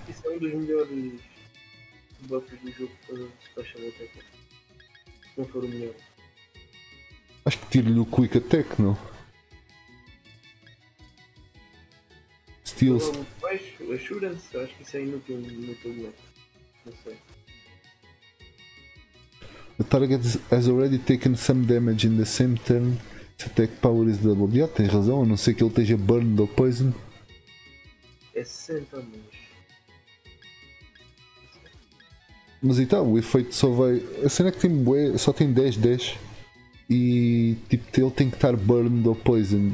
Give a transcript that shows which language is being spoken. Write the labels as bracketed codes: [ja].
[pt] Isso é um dos melhores buffs do jogo para o special attack. Se não for o melhor. Acho que tira-lhe o quick attack, não? [en] Steals. [pt] Assurance, acho que isso é inútil no teu boneco. Não sei. [en] The target has already taken some damage in the same turn. [pt] Se [en] attack power is double, [pt] já tens razão, a não ser que ele esteja burned ou poison. É 60, mas. Mas e tal, o efeito só vai. A cena é que tem bué, só tem 10-10. E tipo, ele tem que estar burned ou poison.